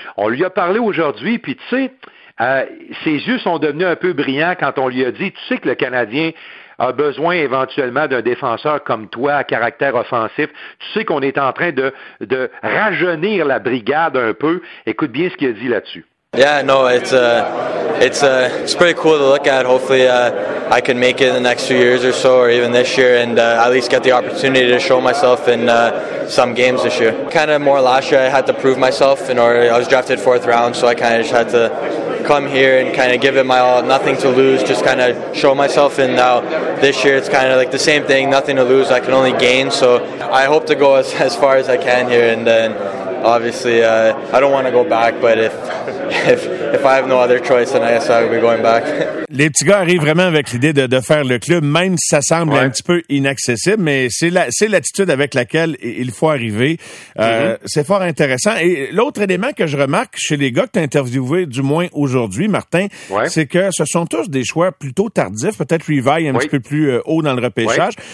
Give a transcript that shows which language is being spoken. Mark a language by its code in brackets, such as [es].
[fr] On lui a parlé aujourd'hui, puis tu sais, ses yeux sont devenus un peu brillants quand on lui a dit, tu sais que le Canadien a besoin éventuellement d'un défenseur comme toi à caractère offensif. Tu sais qu'on est en train de rajeunir la brigade un peu. Écoute bien ce qu'il a dit là-dessus. [en] Yeah, no, it's pretty cool to look at. Hopefully, I can make it in the next few years or so, or even this year, and at least get the opportunity to show myself in some games this year. Kind of more last year, I had to prove myself. In order, I was drafted fourth round, so I kind of just had to come here and kind of give it my all, nothing to lose, just kind of show myself. And now this year it's kind of like the same thing, nothing to lose, I can only gain. So I hope to go as far as I can here and then obviously, I don't want to go back, but if I have no other choice, then I guess I'll be going back. [fr] Les petits gars arrivent vraiment avec l'idée de faire le club, même si ça semble un petit peu inaccessible, mais c'est l'attitude avec laquelle il faut arriver. C'est fort intéressant. Et l'autre élément que je remarque chez les gars que tu as interviewé, du moins aujourd'hui, Martin, c'est que ce sont tous des choix plutôt tardifs, peut-être Revaille un petit peu plus haut dans le repêchage.